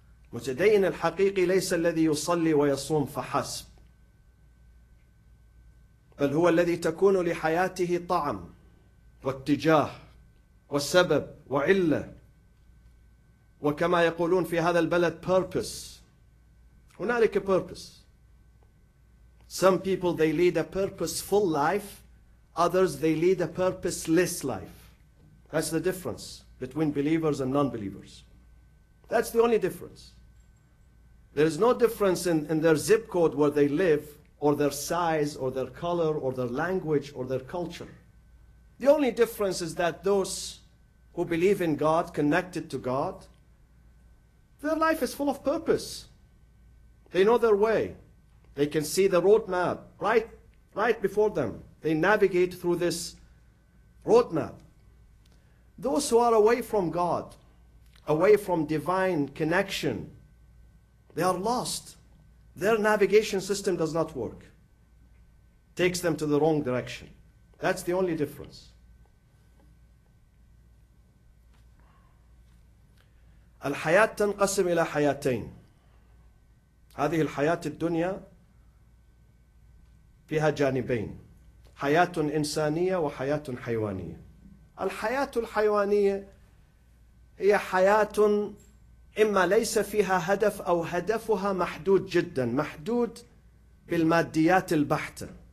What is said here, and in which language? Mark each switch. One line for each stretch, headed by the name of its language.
Arabic: المتدين الحقيقي ليس الذي يصلي ويصوم فحسب، بل هو الذي تكون لحياته طعم واتجاه وسبب وعلة، وكما يقولون في هذا البلد purpose. هناك purpose.
English: Some people they lead a purposeful life, others they lead a purposeless life. That's the difference between believers and non-believers. That's the only difference. There is no difference in their zip code where they live, or their size, or their color, or their language, or their culture. The only difference is that those who believe in God, connected to God, their life is full of purpose. They know their way. They can see the roadmap right before them. They navigate through this roadmap. Those who are away from God, away from divine connection, they are lost. Their navigation system does not work. Takes them to the wrong direction. That's the only difference.
Arabic: الحياة تنقسم إلى حياتين. هذه الحياة الدنيا فيها جانبين، حياة إنسانية وحياة حيوانية. الحياة الحيوانية هي حياة إما ليس فيها هدف، أو هدفها محدود جدا، محدود بالماديات البحتة.